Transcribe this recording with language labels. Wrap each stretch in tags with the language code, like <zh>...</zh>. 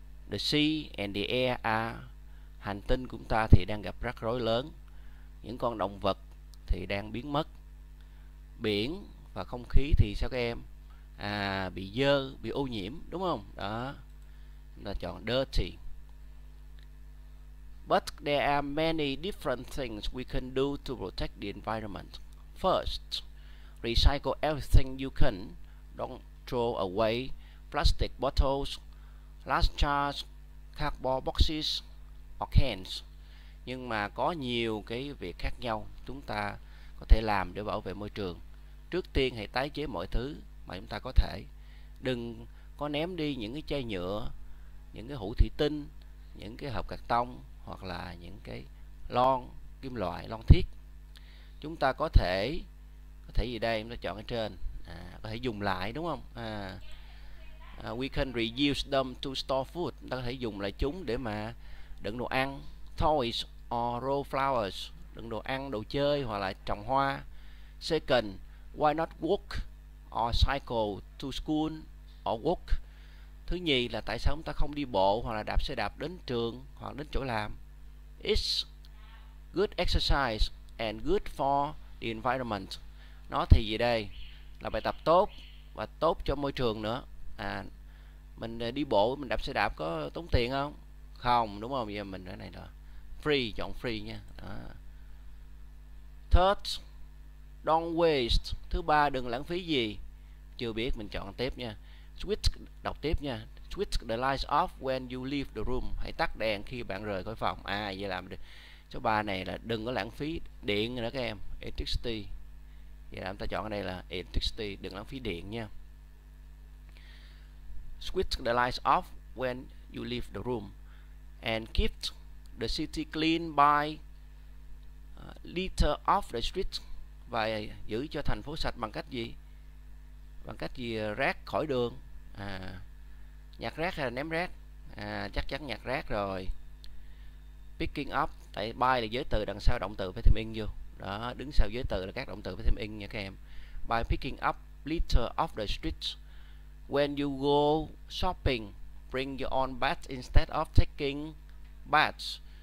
<en>The sea and the air are.</en> <vi>Hành tinh của chúng ta thì đang gặp rắc rối lớn. Những con động vật thì đang biến mất. Biển và không khí thì sao các em? Bị dơ, bị ô nhiễm, đúng không? Đó, chúng ta chọn dirty.</vi> <en>But there are many different things we can do to protect the environment. First, recycle everything you can. Don't throw away plastic bottles, last charge, cardboard boxes, or cans.</en> <vi>Nhưng mà có nhiều cái việc khác nhau chúng ta có thể làm để bảo vệ môi trường. Trước tiên hãy tái chế mọi thứ mà chúng ta có thể. Đừng có ném đi những cái chai nhựa, những cái hũ thủy tinh, những cái hộp cạc tông hoặc là những cái lon kim loại, lon thiếc. Chúng ta có thể gì đây, chúng ta chọn ở trên à, có thể dùng lại đúng không?</vi> <en>We can reuse them to store food.</en> <vi>Chúng ta có thể dùng lại chúng để mà đựng đồ ăn,</vi> <en>toys or raw flowers,</en> <vi>đựng đồ ăn, đồ chơi hoặc là trồng hoa.</vi> <en>Second, why not walk or cycle to school or work?</en> <vi>Thứ nhì là tại sao chúng ta không đi bộ hoặc là đạp xe đạp đến trường hoặc đến chỗ làm?</vi> <en>It's good exercise and good for the environment.</en> <vi>Nó thì gì đây? Là bài tập tốt và tốt cho môi trường nữa. À, mình đi bộ, mình đạp xe đạp có tốn tiền không? Không, đúng không? Giờ mình ở này đó.</vi> <en>Free,</en> <vi>chọn free nha. Đó.</vi> <en>Third, don't waste.</en> <vi>Thứ ba, đừng lãng phí gì. Chưa biết, mình chọn tiếp nha. Switch, đọc tiếp nha.</vi> <en>Switch the lights off when you leave the room.</en> <vi>Hãy tắt đèn khi bạn rời khỏi phòng. À, vậy làm được. Số 3 này là đừng có lãng phí điện nữa các em. Electricity. Vậy là chúng ta chọn ở đây là electricity, đừng lãng phí điện nha.</vi> <en>Switch the lights off when you leave the room and keep the city clean by litter off the street.</en> <vi>Và giữ cho thành phố sạch bằng cách gì?</vi> <en>Bằng cách gì?</en> <vi>Rác khỏi đường. À, nhặt rác hay là ném rác? À, chắc chắn nhặt rác rồi. Picking up, tại by là giới từ, đằng sau động từ phải thêm in vô. Đó, đứng sau giới từ là các động từ phải thêm in nha các em.</vi> <en>By picking up litter off the street. When you go shopping, bring your own bag instead of taking bags.</en>